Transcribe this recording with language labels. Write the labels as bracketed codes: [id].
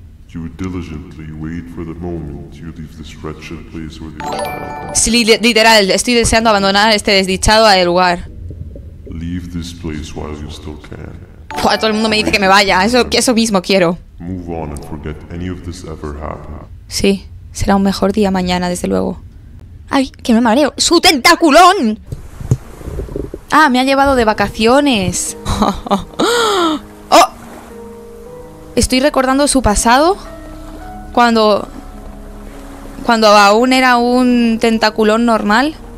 [en] You diligently wait for the moment you leave this wretched place with your child. [es] Sí, literal, estoy deseando abandonar este desdichado a el lugar. [en] Leave this place while you still can. [es] Joder, todo el mundo me dice que me vaya. Eso mismo quiero. [en] Move on and forget any of this ever happened. [es] Sí, será un mejor día mañana, desde luego. Ay, que me mareo. ¡Su tentaculón! Ah, me ha llevado de vacaciones. Estoy recordando su pasado cuando aún era un tentaculón normal.